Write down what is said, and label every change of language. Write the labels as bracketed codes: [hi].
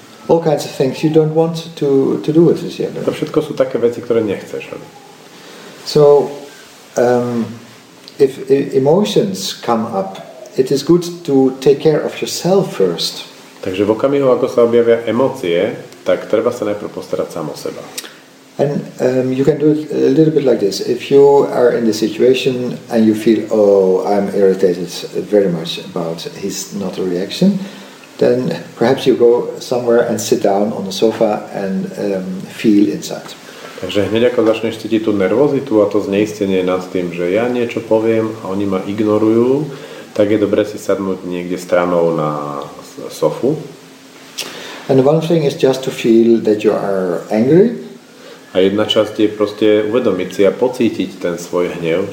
[en] All kinds of things you don't want to do with this year. [sk] To všetko sú také veci, ktoré nechceš. [en] So, if emotions come up, it is good to take care of yourself first. [sk] Takže v okamihu, ako sa objavia emócie, tak treba sa najprv postarať sám o seba. [en] And you can do it a little bit like this. If you are in the situation and you feel, oh, I'm irritated very much about his not a reaction, then perhaps you go somewhere and sit down on the sofa and feel inside. [sk] Takže hneď ako začneš cítiť tú nervozitu a to zneistenie nad tým, že ja niečo poviem a oni ma ignorujú, tak je dobre si sadnúť niekde stranou na sofu. [en] And one thing is just to feel that you are angry. [sk] A jedna časť je proste uvedomiť si a pocítiť ten svoj hnev.